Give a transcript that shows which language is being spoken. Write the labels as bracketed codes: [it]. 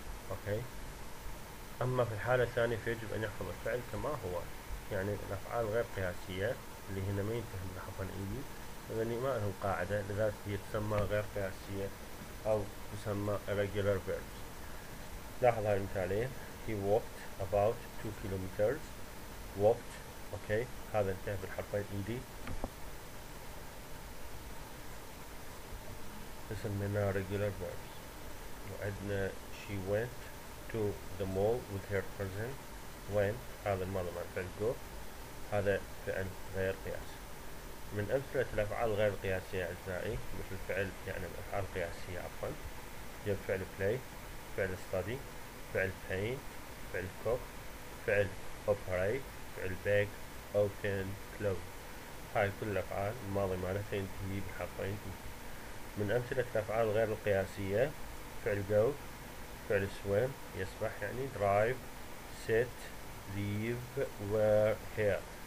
[ar] أوكي، أما في الحالة الثانية فيجب أن يحفظ الفعل كما هو، يعني الأفعال غير قياسية اللي هنا ما ينتهي بالحرفين إي لأن ما له قاعدة، لذلك هي تسمى غير قياسية أو تسمى irregular verbs. لاحظ هاي المثالين، [en] he walked about 2 kilometers، [ar] walked أوكي هذا انتهى بالحرفين إي، سميناها regular verbs. وعندنا [en] she went to the mall with her cousin، [ar] went هذا الماضي مع الفعل go، هذا فعل غير قياسي. من أمثلة الأفعال غير القياسية أعزائي مثل فعل، يعني الأفعال القياسية عفوا، هي فعل play، فعل study، فعل paint، فعل cook، فعل operate، فعل beg، open، close. هاي كل الأفعال الماضي مالتها ينتهي بحرفين. من أمثلة الأفعال غير القياسية فعل go، فعل swim يسبح، يعني drive، sit، leave، wear، hear.